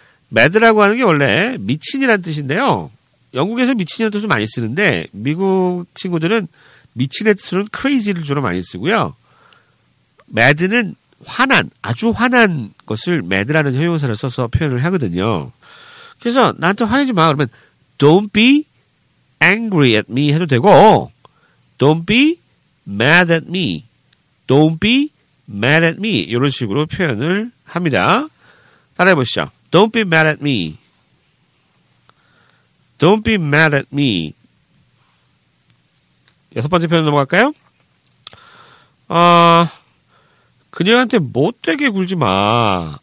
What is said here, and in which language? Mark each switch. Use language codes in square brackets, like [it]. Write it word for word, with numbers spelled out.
[ko] mad라고 하는 게 원래 미친이란 뜻인데요. 영국에서 미친이라는 뜻을 많이 쓰는데 미국 친구들은 미친의 뜻으로는 crazy를 주로 많이 쓰고요. mad는 화난, 아주 화난 것을 mad라는 형용사를 써서 표현을 하거든요. 그래서 나한테 화내지 마. 그러면 [en] don't be angry at me [ko] 해도 되고 [en] don't be mad at me. don't be mad at me. [ko] 이런 식으로 표현을 합니다. 따라해 보시죠. [en] don't be mad at me. don't be mad at me. [ko] 여섯 번째 표현 넘어갈까요? 아, 어, 그녀한테 못되게 굴지 마.